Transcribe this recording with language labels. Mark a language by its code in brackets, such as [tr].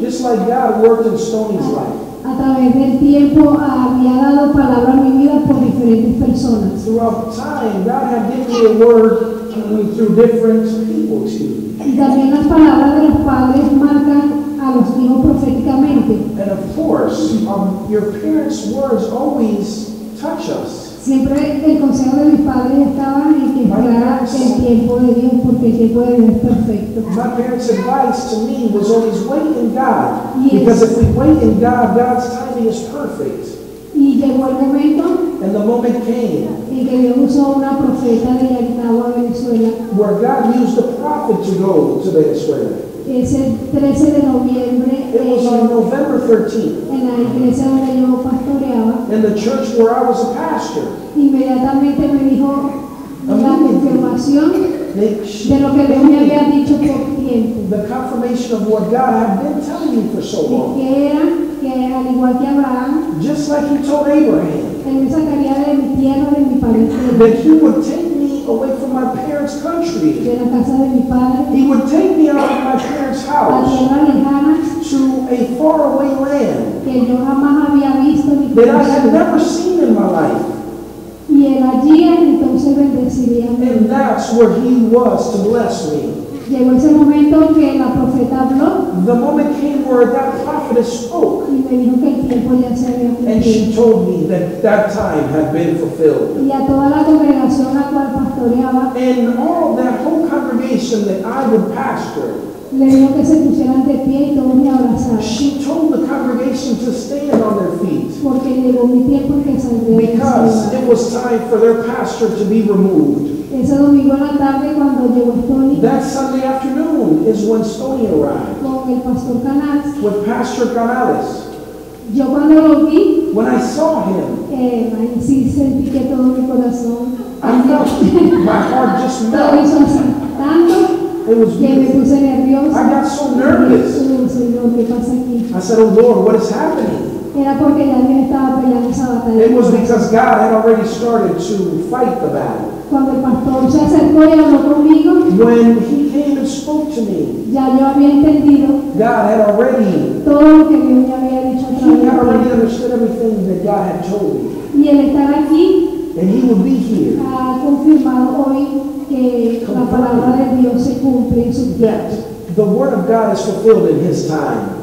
[en] Just like God worked in Stoney's life. [es] A través del tiempo había dado palabra a mi vida por diferentes personas. Y también las palabras de los padres marcan a los hijos proféticamente. [en] And of course, your parents' words always touch us. [es] Siempre el consejo de mis padres estaba en que esperara el tiempo de Dios porque el tiempo de Dios es perfecto. [en] My parents' advice to me was always wait in God. Because if we wait in God, God's timing is perfect. [es] Y llegó el momento. [en] And the moment came. [es] En que Dios usó una profeta de Altagua, Venezuela. [en] Where God used a prophet to go to Venezuela. [es] Ese 13 de noviembre. [en] It was on November 13th. [es] En la iglesia donde yo pastoreaba. [en] In the church where I was a pastor. [es] Inmediatamente me dijo la confirmación de lo que Dios me había dicho por tiempo. [en] The confirmation of what God had been telling you for so long. [es] Que era que al igual que Abraham. [en] Just like He told Abraham. [es] Él me sacaría de mi tierra, de mi parentela. [en] That He would take me away from my parents' country. [es] De la casa de mi padre. [en] He would take me out of my parents' house. [es] La tierra lejana. [en] To a faraway land. [es] Que yo jamás había visto ni conocido. [en] That I had never seen in my life. [es] Y él allí entonces bendeciría a mí. [en] And that's where He was to bless me. [es] Llegó ese momento que la profeta habló. [en] The moment came where that prophetess spoke. [es] Y me dijo que el tiempo ya se había cumplido. [en] And she told me that that time had been fulfilled. [es] Y a toda la congregación a cual pastoreaba. [en] And all that whole congregation that I would pastor. [es] Le dijo que se pusieran de pie y todos me abrazaron. [en] She told the congregation to stand on their feet. [es] Porque llegó mi tiempo que saldría. [en] Because it was time for their pastor to be removed. [es] Ese domingo en la tarde cuando llegó Stoney. [en] That Sunday afternoon is when Stoney arrived. [es] Con el pastor Canales. [en] With Pastor Canales. [es] Yo cuando lo vi, [en] when I saw him, [es] ahí sí sentí que todo mi corazón, [en] my heart just melted. It was beautiful. I got so nervous. I said, oh Lord, what is happening? It was because God had already started to fight the battle. [es] Cuando el pastor se acercó y habló conmigo, [en] when he came and spoke to me, [es] ya yo había entendido, [en] God had already, [es] todo lo que Dios me había dicho, [en] he had already understood everything that God had told me. [es] Y el estar aquí, [en] and he would be here, [es] ha confirmado hoy que la palabra de Dios se cumple en su tiempo. [en] The word of God is fulfilled in his time.